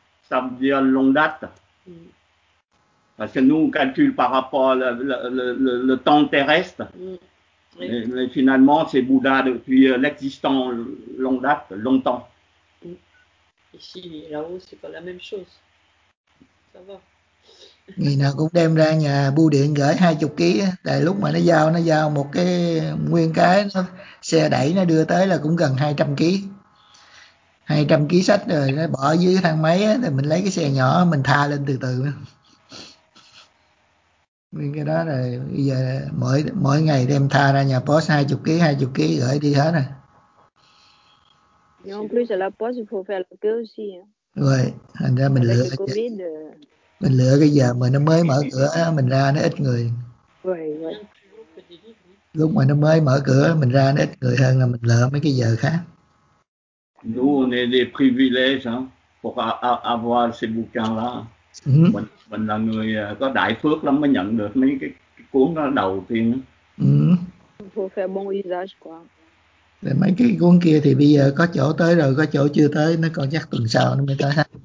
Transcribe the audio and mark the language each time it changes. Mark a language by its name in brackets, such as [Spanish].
[French] Ça veut dire longue date. Parce que nous, on calcule par rapport le temps terrestre. Mm. Mais finalement, c'est Bouddha depuis l'existence longue date, longtemps. Mm. Ici, là-haut, c'est pas la même chose. Ça va. [Vietnamese] Người nào cũng đem ra nhà bưu điện gửi 20 ký. Tại lúc mà nó giao một cái nguyên cái, nó, xe đẩy nó đưa tới là cũng gần 200 ký. 200 ký sách rồi nó bỏ dưới thang máy á, thì mình lấy cái xe nhỏ mình tha lên từ từ. Nguyên cái đó rồi bây giờ mỗi ngày đem tha ra nhà post 20 ký gửi đi hết rồi. [French] En plus à la poste il faut faire le queue aussi. [Vietnamese] Rồi, thành ra mình lựa. Mình lựa cái giờ mà nó mới mở cửa mình ra nó ít người. Rồi. Lúc mà nó mới mở cửa mình ra nó ít người hơn là mình lựa mấy cái giờ khác. [French] Nous, on est des privilèges hein, pour avoir ces bouquins-là. Mm-hmm. [Vietnamese] Mình là người có đại phước lắm mới nhận được mấy cái cuốn đó đầu tiên. Mm-hmm. [French] Faut faire bon usage, quoi. [Vietnamese] Rồi mấy cái cuốn kia thì bây giờ có chỗ tới rồi, có chỗ chưa tới, nó còn chắc tuần sau nó mới tới ha.